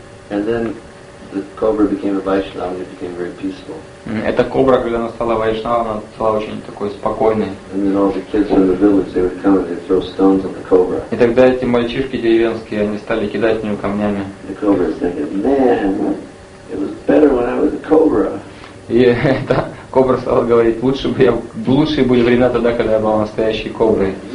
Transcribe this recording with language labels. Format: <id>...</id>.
<en>And then the cobra became a Vaishnava and it became very peaceful.</en> <ru>Эта кобра, когда она стала Вайшнава, она стала очень такой спокойной.</ru> <en>And then all the kids from the village, they would come and throw stones at the cobra.</en> <ru>И тогда эти мальчишки деревенские, они стали кидать в нее камнями.</ru> <en>The cobra is thinking, man, it was better when I was a cobra.</en> <ru>И это кобра стала говорить, лучше бы я, лучшие были времена тогда, когда я был настоящей коброй.</ru>